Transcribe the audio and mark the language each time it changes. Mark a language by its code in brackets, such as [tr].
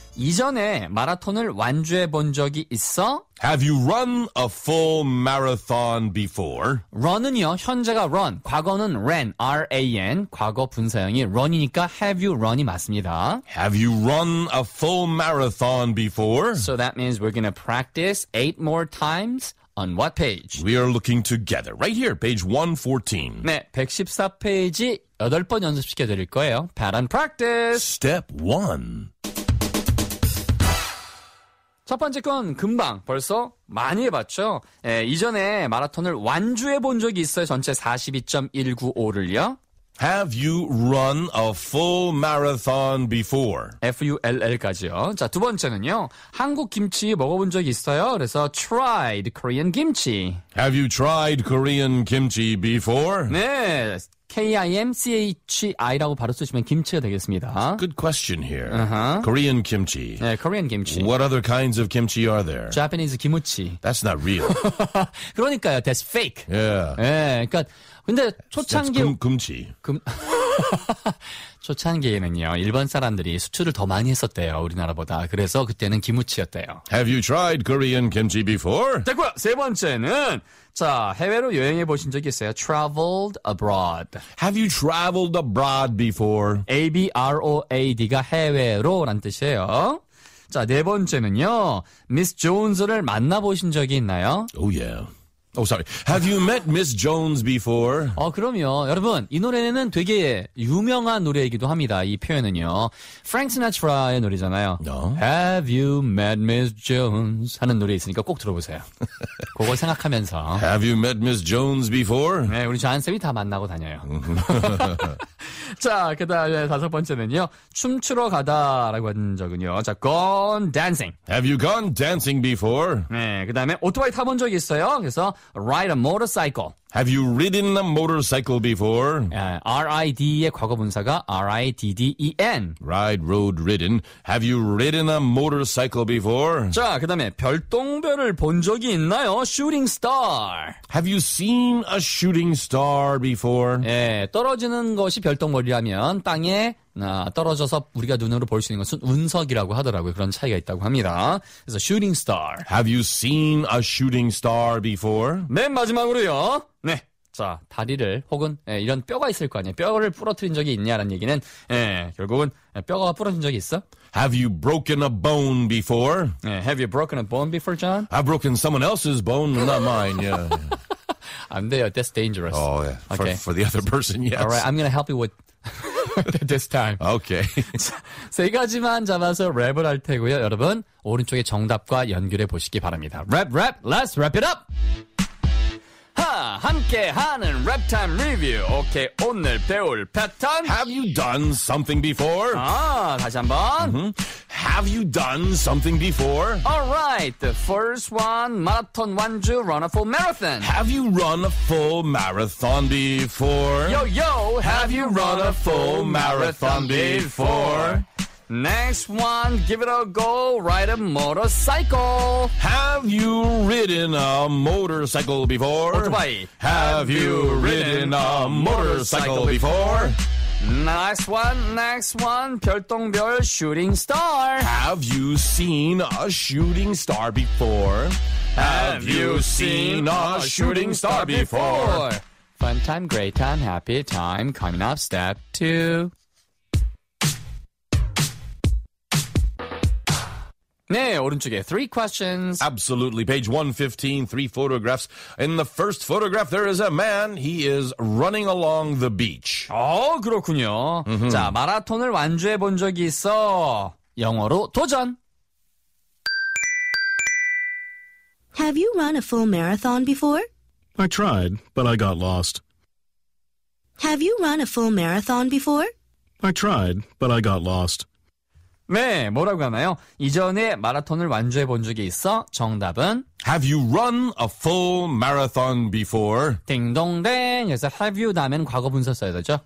[ko] 이전에 마라톤을 완주해 본 적이 있어? [en] Have you run a full marathon before? [ko] run은요. 현재가 run, 과거는 ran, R-A-N. 과거 분사형이 run이니까 have you run이 맞습니다. [en] Have you run a full marathon before? So that means we're going to practice 8 more times. On what page? We are looking together. Right here, page 114. [ko] 네, 114페이지 8번 연습시켜드릴 거예요. [en] Bad on practice. Step 1. [ko] 첫 번째 건 금방 벌써 많이 해봤죠. 예, 이전에 마라톤을 완주해 본 적이 있어요. 전체 42.195를요. [en] Have you run a full marathon before? [ko] F-U-L-L까지요. 자, 두 번째는요. 한국 김치 먹어본 적 있어요? [en] 그래서 tried Korean kimchi. Have you tried Korean kimchi before? [ko] 네. K-I-M-C-H-I라고 바로 쓰시면 김치가 되겠습니다. [en] Good question here. Uh-huh. Korean kimchi. 네, Korean kimchi. What other kinds of kimchi are there? Japanese kimchi. That's not real. [ko] 그러니까요. [en] That's fake. Yeah. [ko] 네, 그러니까 근데 초창기 금치. 초창기에는요. 일본 사람들이 수출을 더 많이 했었대요. 우리나라보다. 그래서 그때는 김치였대요. [en] Have you tried Korean kimchi before? [ko] 됐고요. 세 번째는 자, 해외로 여행해 보신 적 있어요? [en] Traveled abroad. Have you traveled abroad before? [ko] A-B-R-O-A-D가 해외로란 뜻이에요. 자, 네 번째는요. Miss Jones를 만나보신 적이 있나요? [en] Oh yeah. Oh, sorry. Have you met Miss Jones before? [ko] 어, 그럼요. 여러분, 이 노래는 되게 유명한 노래이기도 합니다. 이 표현은요. Frank Sinatra의 노래잖아요. [en] No. Have you met Miss Jones? [ko] 하는 노래 있으니까 꼭 들어보세요. 그거 생각하면서. [en] Have you met Miss Jones before? [ko] 네, 우리 잔쌤이 다 만나고 다녀요. 자, 그 다음에 다섯 번째는요. 춤추러 가다라고 한 적은요. [en] 자, gone dancing. Have you gone dancing before? [ko] 네, 그 다음에 오토바이 타본 적 있어요. [en] 그래서 ride a motorcycle. Have you ridden a motorcycle before? [ko] R-I-D의 과거 분사가 R-I-D-D-E-N. [en] Ride, rode, ridden. Have you ridden a motorcycle before? [ko] 자, 그 다음에 별똥별을 본 적이 있나요? [en] Shooting star. Have you seen a shooting star before? [ko] 예, 떨어지는 것이 별똥별이라면 땅에 떨어져서 우리가 눈으로 볼 수 있는 것은 운석이라고 하더라고요. 그런 차이가 있다고 합니다. [en] 그래서 shooting star. Have you seen a shooting star before? [ko] 맨 마지막으로요. 네. 자, 다리를 혹은 예, 이런 뼈가 있을 거 아니에요. 뼈를 부러뜨린 적이 있냐라는 얘기는 예, 결국은 뼈가 부러진 적이 있어? [en] Have you broken a bone before? 예, have you broken a bone before, John? I've broken someone else's bone, not mine. Yeah. [ko] 안 돼요. [en] That's dangerous. Oh, yeah. For, okay. For the other person, yes. All right. I'm going to help you with... This time. Okay. [ko] 세 가지만 잡아서 랩을 할 테고요. 여러분, 오른쪽에 정답과 연결해 보시기 바랍니다. [en] Rap, rap, let's wrap it up! [ko] 하, 함께 하는 랩 타임 리뷰. 오케이, 오늘 배울 패턴. [en] Have you done something before? [ko] 아, 다시 한 번. Mm-hmm. [en] Have you done something before? All right, the first one, marathon 완주, run a full marathon. Have you run a full marathon before? Yo, yo, have you run a full marathon before? Next one, give it a go, ride a motorcycle. Have you ridden a motorcycle before? Otobai. Have you ridden a motorcycle before? Next one, 별똥별 shooting star. Have you seen a shooting star before? Have you seen a shooting star before? Fun time, great time, happy time, coming up step two. [ko] 네, 오른쪽에 [en] three questions. Absolutely. Page 115, three photographs. In the first photograph, there is a man. He is running along the beach. [ko] 어, 그렇군요. Mm-hmm. 자, 마라톤을 완주해 본 적이 있어. 영어로 도전. [en] Have you run a full marathon before? I tried, but I got lost. Have you run a full marathon before? I tried, but I got lost. [ko] 네, 뭐라고 하나요? 이전에 마라톤을 완주해 본 적이 있어? 정답은 [en] Have you run a full marathon before? [ko] 딩동댕. 그래서 [en] have you [ko] 다음엔 과거 분사 써야 되죠.